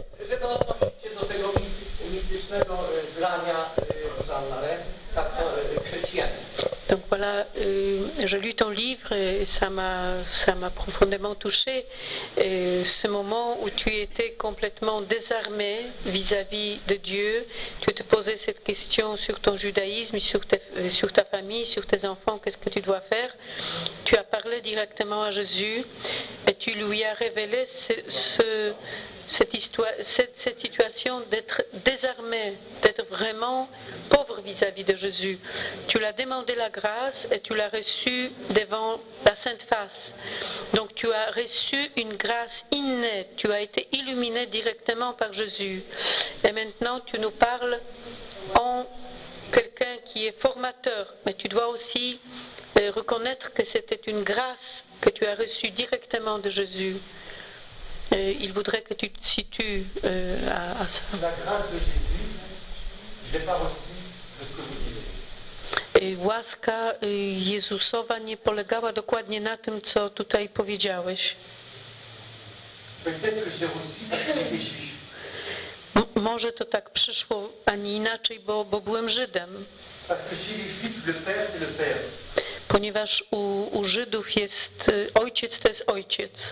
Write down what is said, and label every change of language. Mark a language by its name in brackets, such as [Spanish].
[Polish] Żeby odnosić się do tego mistycznego wlania żalnare, tak to chrześcijańskie. [French] Donc voilà, je lis ton livre et ça m'a profondément touché. Ce moment où tu étais complètement désarmé vis-à-vis de Dieu, tu te posais cette question sur ton judaïsme, sur ta famille, sur tes enfants, qu'est-ce que tu dois faire. Tu as parlé directement à Jésus et tu lui as révélé cette situation d'être désarmé, d'être vraiment pauvre vis-à-vis de Jésus. Tu l'as demandé la grâce et tu l'as reçue devant la Sainte Face. Donc tu as reçu une grâce innée, tu as été illuminé directement par Jésus. Et maintenant tu nous parles en quelqu'un qui est formateur, mais tu dois aussi reconnaître que c'était une grâce que tu as reçue directement de Jésus. Il voudrait que tu te situes à ça. La grâce de Jésus, je n'ai pas reçu de ce que vous dites. [Polish] Łaska Jezusowa nie polegała dokładnie na tym, co tutaj powiedziałeś. [French] Peut-être que j'ai reçu de Jésus. [Polish] Może to tak przyszło, a nie inaczej, bo byłem Żydem. [French] Parce que chez les Juifs, le père, c'est le père. [Polish] Ponieważ u Żydów jest ojciec, to jest ojciec.